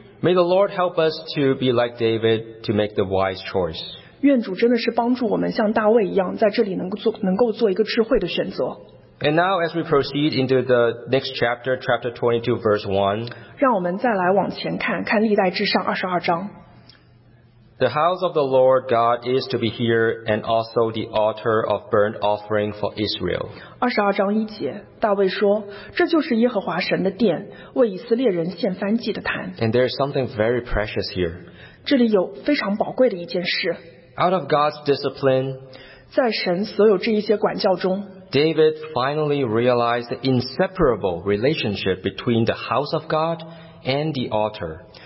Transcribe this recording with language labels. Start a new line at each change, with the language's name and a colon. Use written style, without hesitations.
English: May the Lord help us to be like David to make the wise choice.
Chinese: 愿主真的是帮助我们像大卫一样，在这里能够做一个智慧的选择。
English: And now as we proceed into the next chapter, chapter 22, verse 1.
Chinese: 让我们再来往前看，看历代志上22章。
English: The house of the Lord God is to be here and also the altar of burnt offering for Israel.
Chinese: 22章1节，大卫说，这就是耶和华神的殿，为以色列人献燔祭的坛。
English: And there is something very precious here.
Chinese: 这里有非常宝贵的一件事。
English: Out of God's discipline,
Chinese: 在神所有这一些管教中,
English: David finally realized the inseparable relationship between the house of God and the altar.